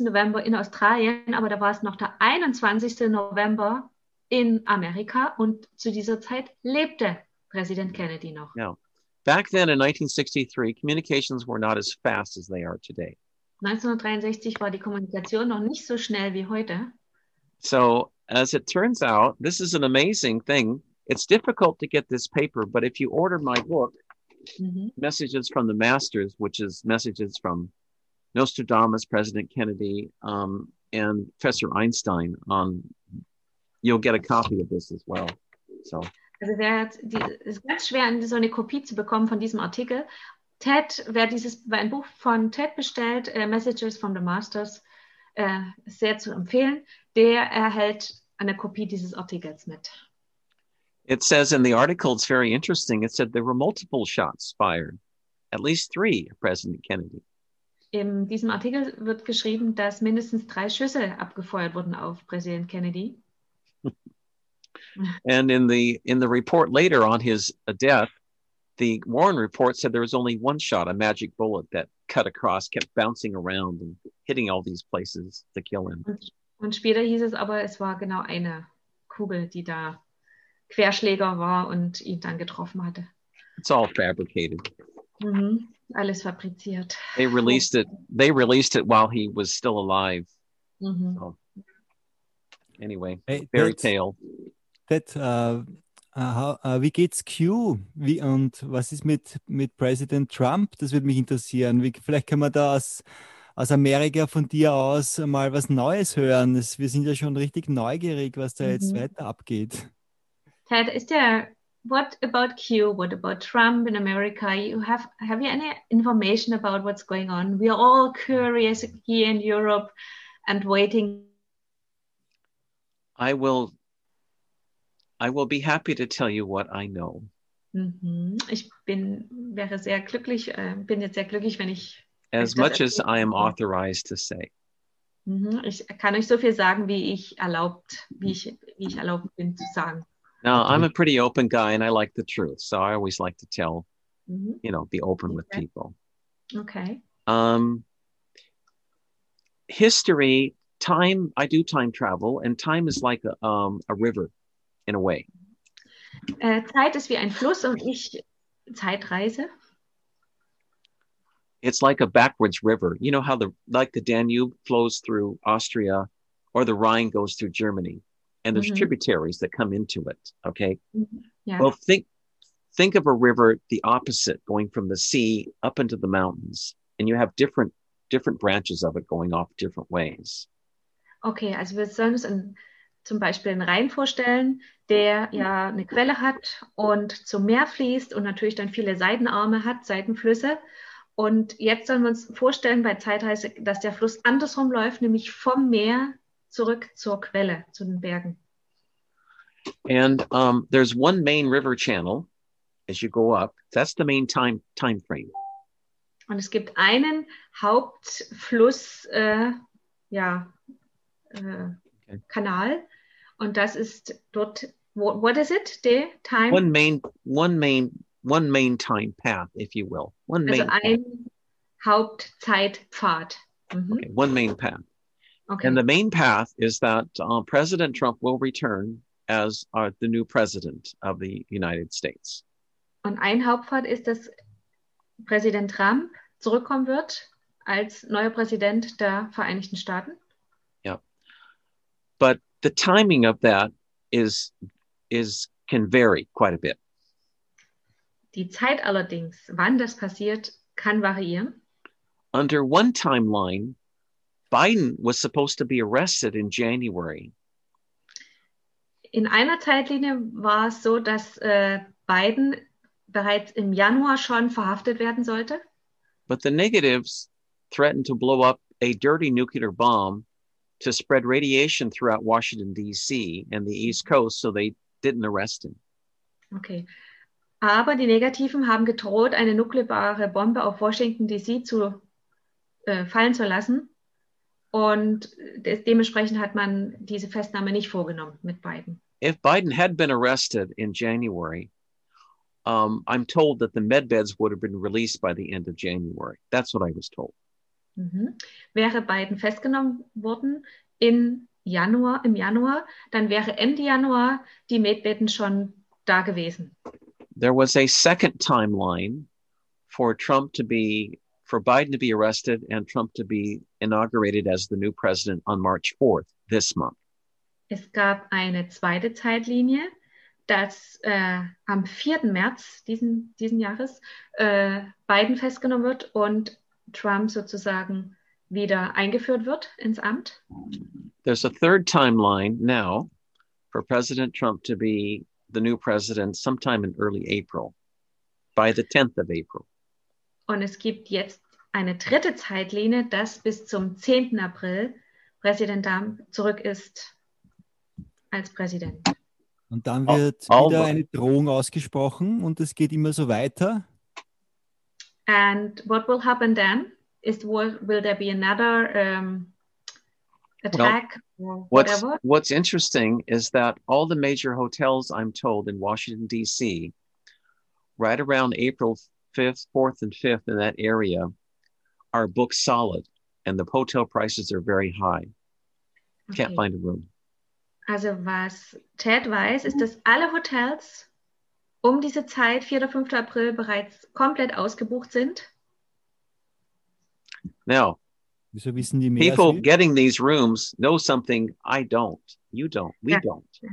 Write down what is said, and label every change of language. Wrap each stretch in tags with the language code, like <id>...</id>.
<de>November in Australien, aber da war es noch der 21. November in Amerika und zu dieser Zeit lebte Präsident Kennedy noch.</de> <en>Now, back then in 1963, communications were not as fast as they are today.</en> <de>1963 war die Kommunikation noch nicht so schnell wie heute.</de> <en>So, as it turns out, this is an amazing thing. It's difficult to get this paper, but if you order my book, Messages from the Masters, which is messages from Nostradamus, President Kennedy, and Professor Einstein, you'll get a copy of this as well. So.</en> <de>Also es ist ganz schwer, so eine Kopie zu bekommen von diesem Artikel. Wer ein Buch von Ted bestellt, Messages from the Masters, sehr zu empfehlen, der erhält eine Kopie dieses Artikels mit.</de> <en>It says in the article, it's very interesting. It said there were multiple shots fired, at least three, President Kennedy.</en> <de>In diesem Artikel wird geschrieben, dass mindestens drei Schüsse abgefeuert wurden auf Präsident Kennedy.</de> <en>And in the report later on his death, the Warren report said there was only one shot, a magic bullet that cut across, kept bouncing around and hitting all these places to kill him.</en> <de>Und später hieß es aber, es war genau eine Kugel, die da Querschläger war und ihn dann getroffen hatte.</de> <en>It's all fabricated.</en> <de>Alles fabriziert.</de> <en>They released it. They released it while he was still alive. So, anyway, Hey, fairy tale.</en> <de>wie geht's Q? Wie und was ist mit Präsident Trump? Das würde mich interessieren. Vielleicht können wir da aus Amerika von dir aus mal was Neues hören. Wir sind ja schon richtig neugierig, was da jetzt weiter abgeht.</de> <en>Ted, what about Q? What about Trump in America? Have you any information about what's going on? We are all curious here in Europe and waiting. I will be happy to tell you what I know.</en> <de>Wäre sehr glücklich, bin jetzt sehr glücklich, wenn</de> <en>As</en> <de>ich das</de> <en>much as</en> <de>erzähle.</de> <en>I am authorized to say.</en> <de>Ich kann euch so viel sagen, wie ich erlaubt bin zu sagen.</de> <en>I'm a pretty open guy and I like the truth, so I always like to tell, be open with Okay. people. Okay. History, time, I do time travel, and time is like a river. In a way.</en> <de>Zeit ist wie ein Fluss und ich Zeitreise.</de> <en>It's like a backwards river. You know how the Danube flows through Austria or the Rhine goes through Germany, and there's tributaries that come into it, okay? Well, think of a river the opposite, going from the sea up into the mountains, and you have different branches of it going off different ways.</en> <de>Okay, also wir sollen uns zum Beispiel einen Rhein vorstellen, der ja eine Quelle hat und zum Meer fließt und natürlich dann viele Seitenarme hat, Seitenflüsse. Und jetzt sollen wir uns vorstellen bei Zeitreise, dass der Fluss andersrum läuft, nämlich vom Meer zurück zur Quelle, zu den Bergen.</de> <en>And there's one main river channel as you go up. That's the main time frame.</en> <de>Und es gibt einen Hauptfluss, Kanal, und das ist dort,</de> <en>what is it, the time? One main time path, if you will. One</en> <de>Also</de> <en>main path.</en> <de>ein Hauptzeitpfad.</de> <en>Okay, one main path. And Okay. the main path is that President Trump will return as the new president of the United States.</en> <de>Und ein Hauptpfad ist, dass Präsident Trump zurückkommen wird als neuer Präsident der Vereinigten Staaten.</de> <en>But the timing of that is can vary quite a bit.</en> <de>Die Zeit allerdings, wann das passiert, kann variieren.</de> <en>Under one timeline, Biden was supposed to be arrested in January.</en> <de>In einer Zeitlinie war es so, dass Biden bereits im Januar schon verhaftet werden sollte.</de> <en>But the negatives threatened to blow up a dirty nuclear bomb to spread radiation throughout Washington, D.C. and the East Coast, so they didn't arrest him. Okay.</en> <de>Aber die Negativen haben gedroht, eine nukleare Bombe auf Washington DC fallen zu lassen. Und dementsprechend hat man diese Festnahme nicht vorgenommen mit beiden.</de> <en>If Biden had been arrested in January, I'm told that the med beds would have been released by the end of January. That's what I was told. Mm-hmm.</en> <de>Wäre Biden festgenommen worden in Januar, im Januar, dann wäre Ende Januar die Medbetten schon da gewesen.</de> <en>There was a second timeline for Trump to be, for Biden to be arrested and Trump to be inaugurated as the new president on March 4th, this month.</en> <de>Es gab eine zweite Zeitlinie, dass am 4. März diesen Jahres Biden festgenommen wird und Trump sozusagen wieder eingeführt wird ins Amt.</de> <en>There's a third timeline now for President Trump to be the new president sometime in early April, by the 10th of April.</en> <de>Und es gibt jetzt eine dritte Zeitlinie, dass bis zum 10. April Präsident Trump zurück ist als Präsident. Und dann wird wieder eine Drohung ausgesprochen und es geht immer so weiter.</de> <en>And what will happen then? Is will there be another attack? Well, what's interesting is that all the major hotels, I'm told, in Washington, D.C., right around April 5th, 4th, and 5th in that area, are booked solid, and the hotel prices are very high. Okay. Can't find a room.</en> <de>Also was Ted weiß, ist, dass alle Hotels diese Zeit, 4. oder 5. April, bereits komplett ausgebucht sind.</de> <en>Now,</en> <de>wieso wissen die mehr</de> <en>people als getting these rooms know something I don't, you don't, we don't.</en>